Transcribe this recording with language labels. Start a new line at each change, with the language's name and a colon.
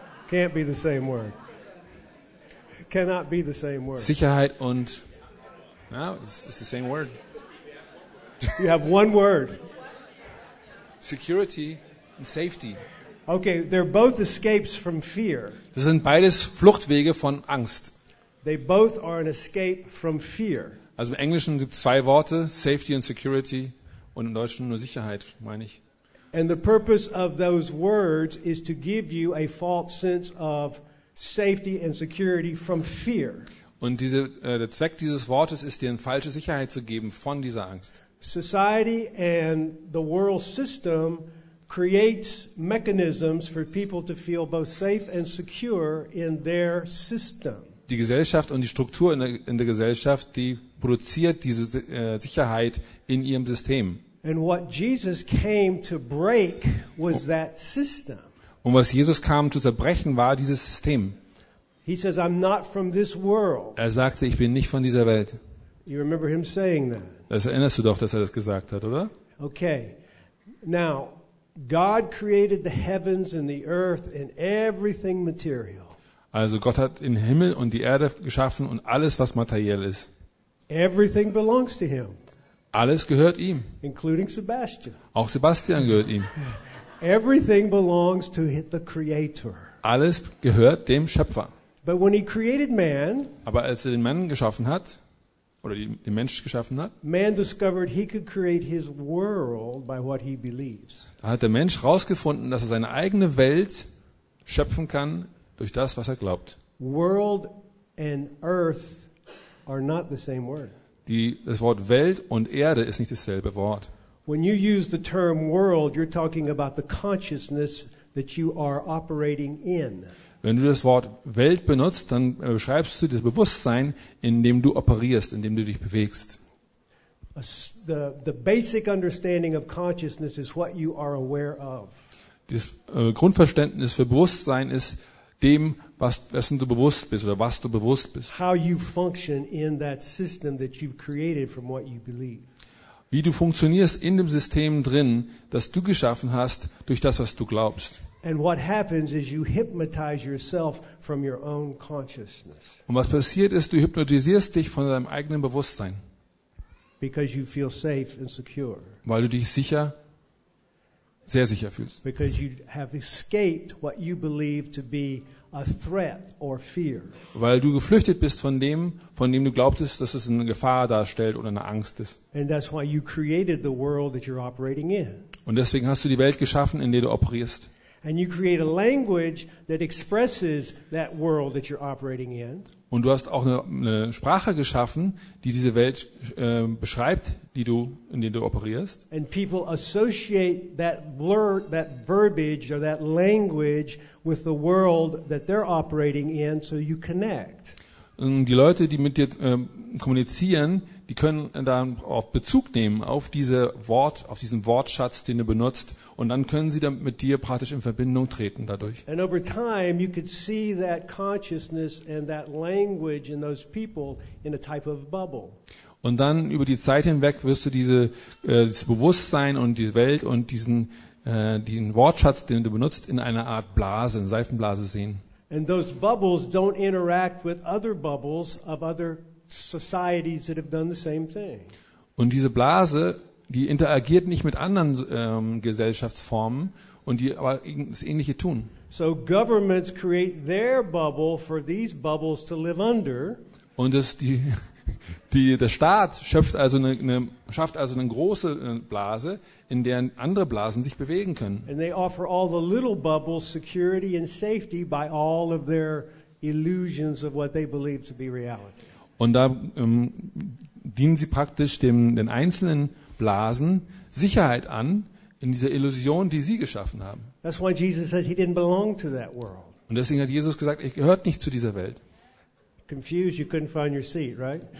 English: Can't be the same word. Cannot be the same word.
German: Sicherheit und
English: no, it's the same word. You have one word. Security and safety. Okay, they're both escapes from fear.
German: Das sind beides Fluchtwege von Angst.
English: They both are an escape from fear.
German: Also im Englischen gibt es zwei Worte,
English: safety and security,
German: und im Deutschen nur Sicherheit, meine ich.
English: And the purpose of those words is to give you a false sense of safety and security from fear.
German: Und der Zweck dieses Wortes ist, dir eine falsche Sicherheit zu geben von dieser Angst.
English: Society and the world system creates mechanisms for people to feel both safe and secure in their system.
German: Die Gesellschaft und die Struktur in der Gesellschaft, die produziert diese Sicherheit in ihrem System.
English: And what Jesus came to break was that system.
German: Und was Jesus kam zu zerbrechen, war dieses System.
English: He says, I'm not from this world.
German: Er sagte, ich bin nicht von dieser Welt.
English: You remember him saying that?
German: Das erinnerst du doch, dass er das gesagt hat, oder?
English: Okay. Now, God created the heavens and the earth and everything material.
German: Also Gott hat den Himmel und die Erde geschaffen und alles, was materiell ist.
English: Everything belongs to him.
German: Alles gehört ihm.
English: Including Sebastian.
German: Auch Sebastian gehört ihm.
English: Everything belongs to the Creator.
German: Alles gehört dem Schöpfer.
English: But when he created man,
German: aber als er den Mann geschaffen hat, oder den Mensch geschaffen hat,
English: man discovered he could create his world by what he believes.
German: Da hat der Mensch herausgefunden, dass er seine eigene Welt schöpfen kann, durch das, was er glaubt.
English: World and earth are not the same word.
German: Das Wort Welt und Erde ist nicht dasselbe Wort.
English: When you use the term world, you're talking about the consciousness that you are operating in.
German: Wenn du das Wort Welt benutzt, dann beschreibst du das Bewusstsein, in dem du operierst, in dem du dich bewegst.
English: The basic understanding of consciousness is what you are aware of.
German: Das Grundverständnis für Bewusstsein ist dem, dessen du bewusst bist oder was du bewusst bist.
English: How you function in that system that you've created from what you believe.
German: Wie du funktionierst in dem System drin, das du geschaffen hast, durch das, was du glaubst.
English: And what happens is you hypnotize yourself from your own consciousness.
German: Und was passiert ist, du hypnotisierst dich von deinem eigenen Bewusstsein.
English: Because you feel safe and secure.
German: Weil du dich sicher, sehr sicher fühlst.
English: Because you have escaped what you believe to be a threat or fear.
German: Weil du geflüchtet bist von dem du glaubtest, dass es eine Gefahr darstellt oder eine Angst ist.
English: And that's why you created the world that you're operating in.
German: Und deswegen hast du die Welt geschaffen, in der du operierst.
English: And you create a language that expresses that world that you're operating in.
German: Und du hast auch eine Sprache geschaffen, die diese Welt beschreibt, in der du operierst.
English: And people associate that verbiage or that language with the world that they're operating in, so you connect.
German: Und die Leute, die mit dir kommunizieren, die können dann auf Bezug nehmen auf auf diesen Wortschatz, den du benutzt, und dann können sie dann mit dir praktisch in Verbindung treten dadurch.
English: And over time you could see that consciousness and that language in those people in a type of bubble.
German: Und dann über die Zeit hinweg wirst du dieses Bewusstsein und die Welt und diesen Wortschatz, den du benutzt, in einer Art Blase, in Seifenblase sehen.
English: And those bubbles don't interact with other bubbles of other societies that have done the same thing.
German: Und diese Blase, die interagiert nicht mit anderen Gesellschaftsformen und die aber das Ähnliche tun.
English: So governments create their bubble for these bubbles to live under.
German: Und der Staat schafft also eine große Blase, in der andere Blasen sich bewegen können.
English: And they offer all the little bubbles security and safety by all of their illusions of what they believe to be reality.
German: Und da dienen sie praktisch den einzelnen Blasen Sicherheit an in dieser Illusion, die sie geschaffen haben.
English: That's why Jesus says he didn't belong to that world.
German: Und deswegen hat Jesus gesagt, er gehört nicht zu dieser Welt.
English: confused, you couldn't find your seat, right?